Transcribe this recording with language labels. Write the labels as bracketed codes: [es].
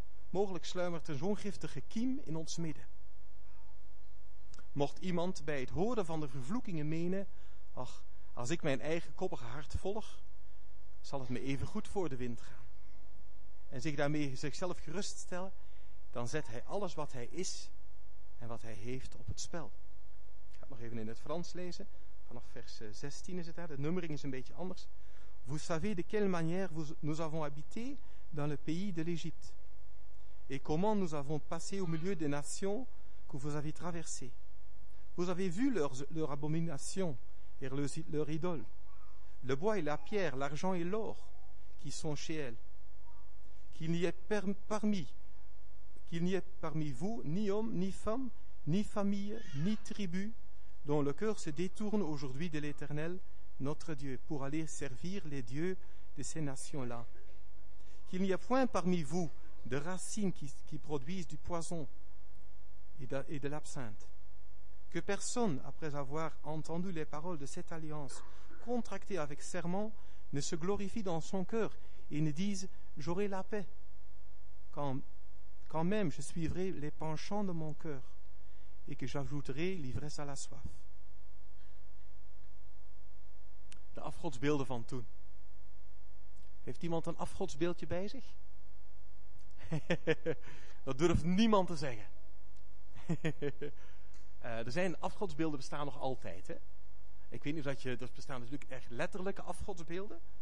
[nl] Mogelijk sluimert er zo'n giftige kiem in ons midden. Mocht iemand bij het horen van de vervloekingen menen, ach, als ik mijn eigen koppige hart volg, zal het me even goed voor de wind gaan. En zich daarmee zichzelf geruststellen, dan zet hij alles wat hij is en wat hij heeft op het spel. Ik ga het nog even in het Frans lezen. Vanaf vers 16 is het daar. De nummering is een beetje anders. [fr] Vous savez de quelle manière nous avons habité dans le pays de l'Égypte. Et comment nous avons passé au milieu des nations que vous avez traversées. Vous avez vu leur abomination et leur idole. Le bois et la pierre, l'argent et l'or qui sont chez elles. Qu'il n'y ait parmi vous ni homme, ni femme, ni famille, ni tribu, dont le cœur se détourne aujourd'hui de l'Éternel, notre Dieu, pour aller servir les dieux de ces nations-là. Qu'il n'y ait point parmi vous de racines qui produisent du poison et de l'absinthe. Que personne, après avoir entendu les paroles de cette alliance contractée avec serment, ne se glorifie dans son cœur et ne dise « J'aurai la paix » quand même je suivrai les penchants de mon cœur et que j'ajouterai l'ivresse à la soif. [nl] De afgodsbeelden van toen. Heeft iemand een afgodsbeeldje bij zich? Dat durft niemand te zeggen. afgodsbeelden bestaan nog altijd. Hè? Ik weet niet of er bestaan natuurlijk echt letterlijke afgodsbeelden.